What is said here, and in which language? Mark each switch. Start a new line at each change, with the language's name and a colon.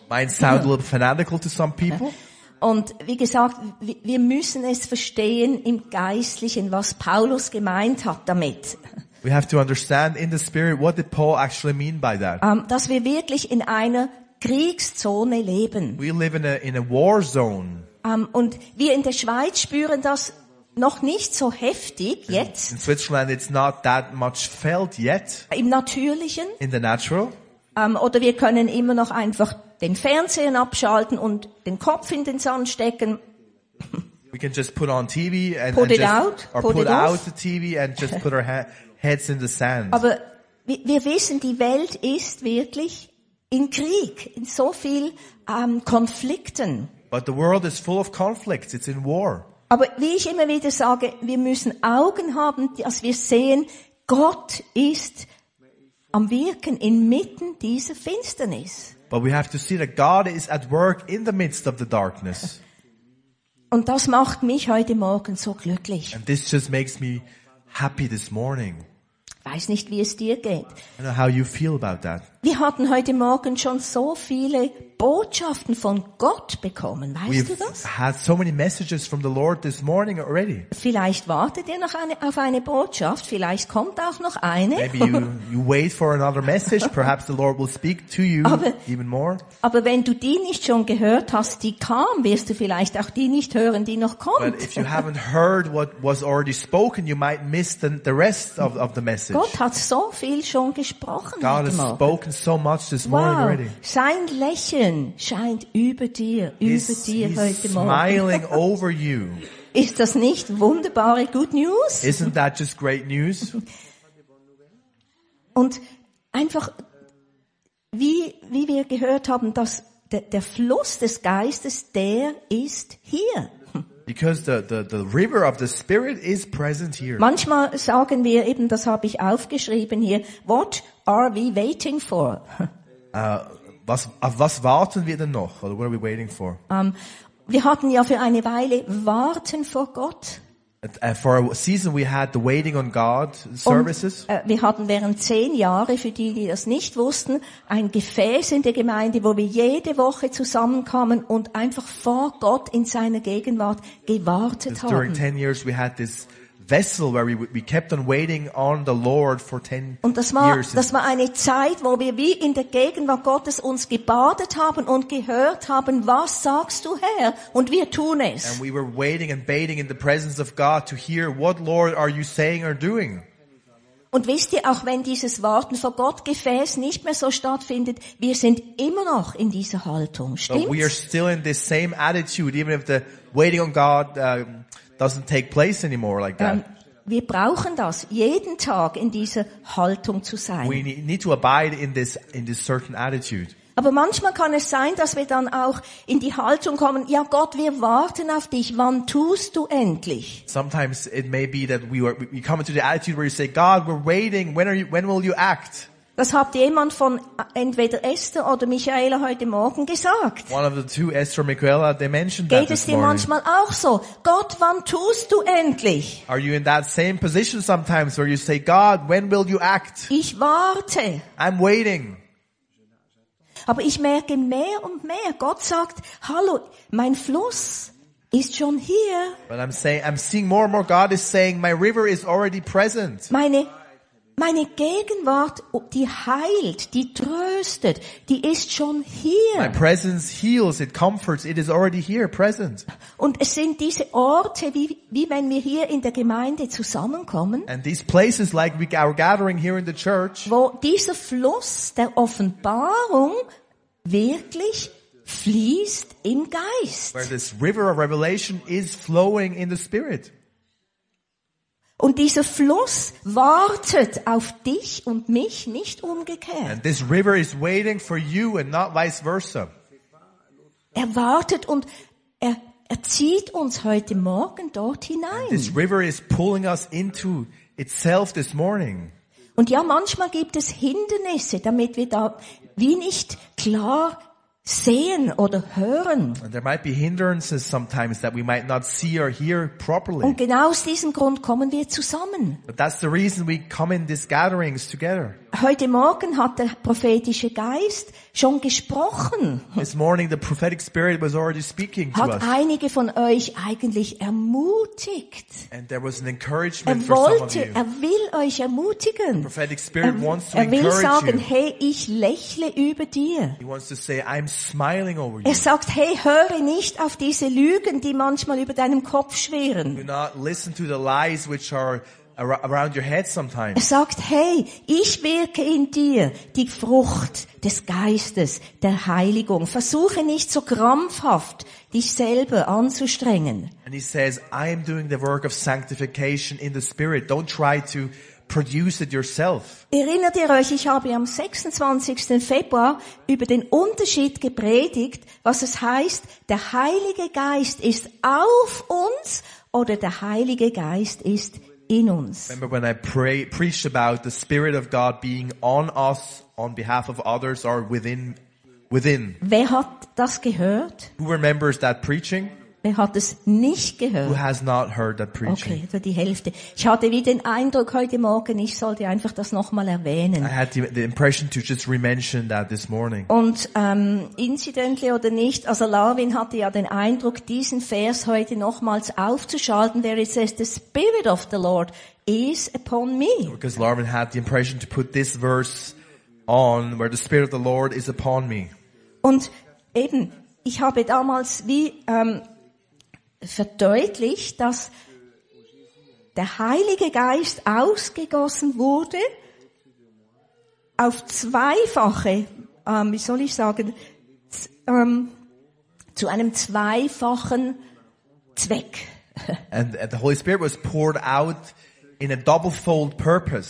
English: Might sound a little fanatical to some people.
German: Und wie gesagt, wir müssen es verstehen im Geistlichen, was Paulus gemeint hat damit.
English: We have to understand in the spirit what did Paul actually mean by that?
German: Dass wir wirklich in einer Kriegszone leben.
English: We live in a war zone.
German: Und wir in der Schweiz spüren das noch nicht so heftig jetzt.
English: In Switzerland it's not that much felt yet.
German: Im Natürlichen.
English: In the natural.
German: Oder wir können immer noch einfach den Fernseher abschalten und den Kopf in den Sand stecken.
English: We can just put on TV and put and it just, out. Or put out the TV and just put our heads in the sand.
German: Aber wir wissen, die Welt ist wirklich in Krieg, in so viel Konflikten.
English: But the world is full of conflicts. It's in war.
German: Aber wie ich immer wieder sage, wir müssen Augen haben, dass wir sehen, Gott ist am Wirken inmitten dieser Finsternis.
English: But we have to see that God is at work in the midst of the darkness.
German: Und das macht mich heute Morgen so glücklich.
English: And this just makes me happy this morning.
German: Weiß nicht, wie es dir geht.
English: I don't know how you feel about that.
German: Wir hatten heute Morgen schon so viele Botschaften von Gott bekommen, weißt
English: We've
German: du das?
English: We've had so many messages from the Lord this morning already.
German: Vielleicht wartet ihr noch auf eine Botschaft, vielleicht kommt auch noch eine.
English: Maybe you wait for another message, perhaps the Lord will speak to you even more.
German: Aber wenn du die nicht schon gehört hast, die kam, wirst du vielleicht auch die nicht hören, die noch kommt.
English: But if you haven't heard what was already spoken, you might miss the rest of the message.
German: Gott hat so viel schon gesprochen.
English: God has spoken so much this morning already.
German: Sein Lächeln scheint über dir, heute Morgen.
English: Smiling over you.
German: Ist das nicht wunderbare
English: Good News? Isn't that just great news?
German: Und einfach, wie wir gehört haben, dass der Fluss des Geistes, der ist hier.
English: Because the river of the Spirit is present here.
German: Manchmal sagen wir eben, das habe ich aufgeschrieben hier,
English: what are we waiting for?
German: Was warten wir denn noch?
English: Or what are we waiting for?
German: Wir hatten ja für eine Weile warten vor Gott.
English: For a season we had the waiting on God services.
German: Und, wir hatten während 10 Jahre, für die, die das nicht wussten, ein Gefäß in der Gemeinde, wo wir jede Woche zusammenkamen und einfach vor Gott in seiner Gegenwart gewartet haben.
English: During 10 years we had this vessel where we kept on waiting on the Lord for 10 years.
German: Und das war eine Zeit, wo wir wie in der Gegenwart Gottes uns gebadet haben und gehört haben, was sagst du, Herr? Und wir tun es.
English: And we were waiting and bathing in the presence of God to hear, what Lord are you saying or doing?
German: Und wisst ihr, auch wenn dieses Warten vor Gott gefäß nicht mehr so stattfindet, wir sind immer noch in dieser Haltung. Stimmt's?
English: We are still in this same attitude, even if the waiting on God doesn't take place anymore like that.
German: Wir brauchen das, jeden Tag in dieser Haltung zu sein.
English: We need to abide in this certain attitude.
German: Aber manchmal kann es sein, dass wir dann auch in die Haltung kommen, ja Gott, wir warten auf dich, wann tust du endlich?
English: Sometimes it may be that we come into the attitude where you say, God, we're waiting, when will you act?
German: Das hat jemand von entweder Esther oder Michaela heute Morgen gesagt.
English: One of the two, Esther and Michaela, they mentioned that this morning.
German: Geht es dir manchmal auch so? Gott, wann tust du endlich?
English: Are you in that same position sometimes where you say, God, when will you act?
German: Ich warte.
English: I'm waiting.
German: Aber ich merke mehr und mehr, Gott sagt, hallo, mein Fluss ist schon hier.
English: But I'm seeing more and more God is saying, my river is already present.
German: Meine Gegenwart, die heilt, die tröstet, die ist schon hier.
English: My presence heals, it comforts, it is already here, present.
German: Und es sind diese Orte, wie wenn wir hier in der Gemeinde zusammenkommen.
English: And these places, like we are gathering here in the church.
German: Wo dieser Fluss der Offenbarung wirklich fließt im Geist.
English: Where this river of revelation is flowing in the spirit.
German: Und dieser Fluss wartet auf dich und mich, nicht umgekehrt.
English: And this river is waiting for you and not vice versa.
German: Er wartet und er zieht uns heute Morgen dort hinein.
English: And this river is pulling us into itself this morning.
German: Und ja, manchmal gibt es Hindernisse, damit wir da wie nicht klar sehen oder hören.
English: And there might be hindrances sometimes that we might not see or hear properly.
German: Und genau aus diesem Grund kommen wir zusammen.
English: But that's the reason we come in these gatherings together.
German: Heute Morgen hat der prophetische Geist schon gesprochen.
English: This morning the prophetic spirit was already speaking to
German: hat
English: us.
German: Hat einige von euch eigentlich ermutigt.
English: And there was an encouragement
German: er wollte,
English: for some of
German: you. Er will euch ermutigen.
English: The prophetic spirit
German: er,
English: wants to
German: er will
English: encourage
German: sagen,
English: you.
German: Hey, ich lächle über dir.
English: He wants to say, I'm smiling over you.
German: Er sagt, hey, höre nicht auf diese Lügen, die manchmal über deinem Kopf schwirren.
English: Do not listen to the lies which are around your head sometimes.
German: Er sagt, hey, ich wirke in dir die Frucht des Geistes, der Heiligung. Versuche nicht so krampfhaft, dich selber anzustrengen.
English: And he says, I am doing the work of sanctification in the spirit. Don't try to produce it yourself.
German: Erinnert ihr euch, ich habe am 26. Februar über den Unterschied gepredigt, was es heißt, der Heilige Geist ist auf uns oder der Heilige Geist ist in uns.
English: Remember when I preached about the Spirit of God being on us on behalf of others or within.
German: Wer hat das gehört?
English: Who remembers that preaching?
German: Wer hat es nicht gehört?
English: Who has not heard that preaching?
German: Okay, die Hälfte. Ich hatte wie den Eindruck heute Morgen, ich sollte einfach das nochmal erwähnen.
English: I had the impression to just re-mention that this morning.
German: Und incidentally oder nicht, also Larwin hatte ja den Eindruck, diesen Vers heute nochmals aufzuschalten,
English: where it says, the Spirit of the Lord is upon me. Because Larwin had the impression to put this verse on, where the Spirit of the Lord is upon me.
German: Und eben, ich habe damals wie verdeutlicht, dass der Heilige Geist ausgegossen wurde auf zweifache, wie soll ich sagen, zu einem zweifachen Zweck.
English: And the Holy Spirit was poured out in a double-fold purpose.